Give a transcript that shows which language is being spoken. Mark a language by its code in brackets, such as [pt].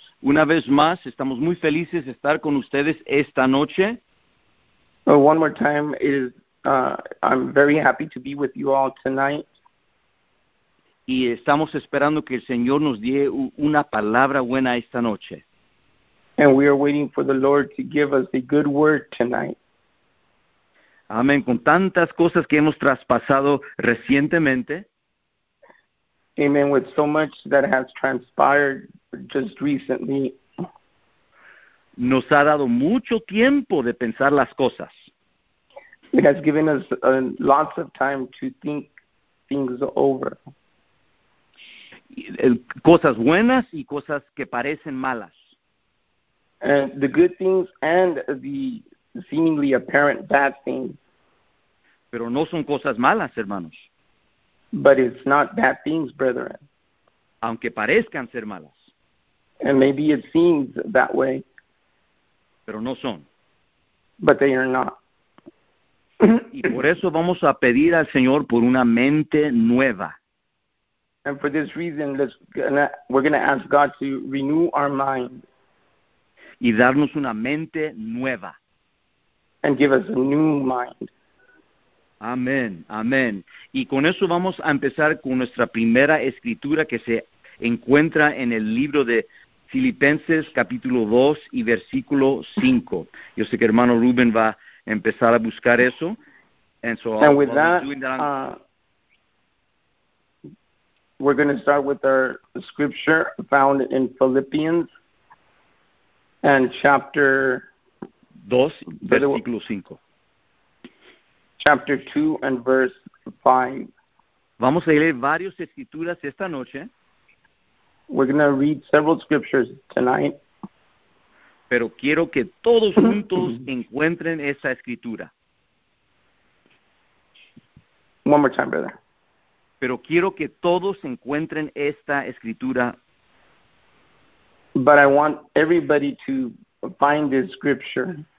[es] Una vez más, estamos muy felices de estar con ustedes esta noche. [en] So one more time, I'm very happy to be with you all tonight. [es] Y estamos esperando que el Señor nos dé una palabra buena esta noche. [en] And we are waiting for the Lord to give us a good word tonight. [es] Amén. Con tantas cosas que hemos traspasado recientemente. [en] Amen. With so much that has transpired just recently. [es] Nos ha dado mucho tiempo de pensar las cosas. [en] It has given us lots of time to think things over. [es] Cosas buenas y cosas que parecen malas. [en] And the good things and the seemingly apparent bad things. [es] Pero no son cosas malas, hermanos. [en] But it's not bad things, brethren. [es] Aunque parezcan ser malas. [en] And maybe it seems that way. [es] Pero no son. [en] But they are not. [es] Y por eso vamos a pedir al Señor por una mente nueva. [en] And for this reason, we're going to ask God to renew our mind. [es] Y darnos una mente nueva. [en] And give us a new mind. [es] Amén, amén. Y con eso vamos a empezar con nuestra primera escritura que se encuentra en el libro de Filipenses capítulo 2 y versículo 5. Yo sé que hermano Rubén va a empezar a buscar eso. [en] And so and with that, we're going to start with our scripture found in Philippians and chapter [es] 2, versículo 5. [en] Chapter 2 and verse 5. [es] Vamos a leer varias escrituras esta noche. [en] We're going to read several scriptures tonight. [es] Pero quiero que todos juntos encuentren esa escritura. [en] One more time, brother. [es] Pero quiero que todos encuentren esta escritura. [en] But I want everybody to find this scripture.